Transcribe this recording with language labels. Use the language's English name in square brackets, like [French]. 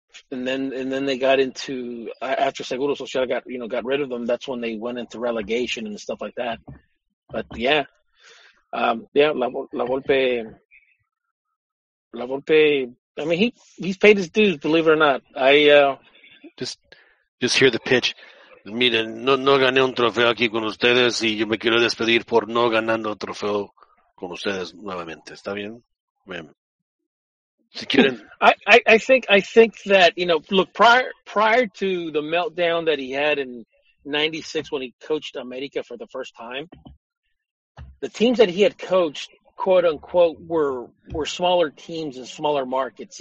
[English] And then they got into, after Seguro Social got rid of them, that's when they went into relegation and stuff like that. But yeah, La Volpe. I mean, he's paid his dues, believe it or not. I just hear the pitch. [Spanish] Miren, no gané un trofeo aquí con ustedes y yo me quiero despedir por no ganando trofeo con ustedes nuevamente. ¿Está bien? Bien. Si quieren. [English] I think that, you know, look, prior to the meltdown that he had in 96 when he coached America for the first time, the teams that he had coached, quote unquote, were smaller teams and smaller markets.